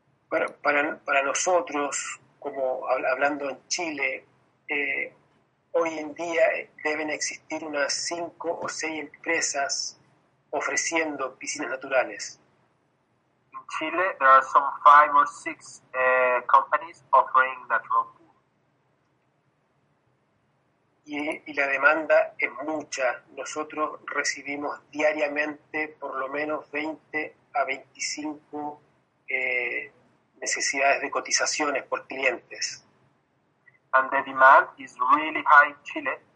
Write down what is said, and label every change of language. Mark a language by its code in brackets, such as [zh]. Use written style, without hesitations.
[es] Para nosotros, como hablando en Chile, hoy en día deben existir unas 5 or 6 empresas ofreciendo piscinas naturales. [en] In Chile, there are some 5 or 6 companies offering natural pools. [es] Y la demanda es mucha. Nosotros recibimos diariamente por lo menos 20 a 25 necesidades de cotizaciones por clientes. [en] And the demand is really high in Chile.